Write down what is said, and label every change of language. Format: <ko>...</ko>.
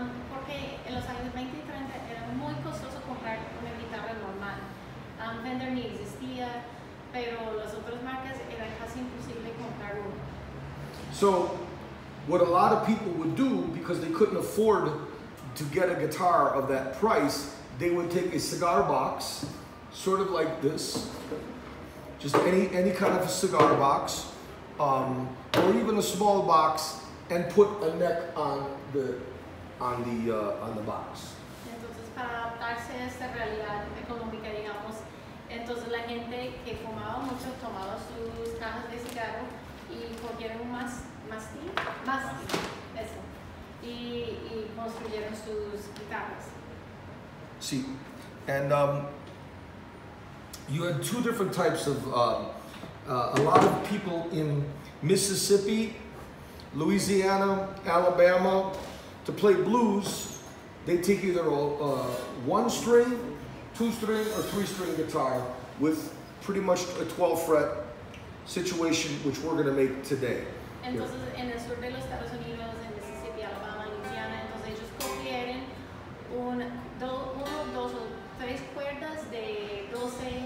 <es>Porque en los años 20 y 30 era muy costoso comprar una guitarra normal. Fender ni existía, pero las otras marcas era casi imposible comprar una.</es> <en>So, what a lot of people would do, because they couldn't afford to get a guitar of that price, they would take a cigar box, sort of like this, just any kind of a cigar box, or even a small box, and put a neck on the on the box.</en> <es>Entonces, para adaptarse a esta realidad económica, digamos, entonces la gente que fumaba mucho tomaba sus cajas de cigarro y cogieron un mástil, eso, y construyeron sus guitarras.</es> <en>Sí, and you had two different types of a lot of people in Mississippi, Louisiana, Alabama, to play blues, they take either a one string, two string, or three string guitar with pretty much a 12 fret situation, which we're gonna make today.</en> <es>Entonces, en el sur de los Estados Unidos, en Mississippi, Alabama, Louisiana, entonces ellos cogieron dos o tres cuerdas de 12.</es>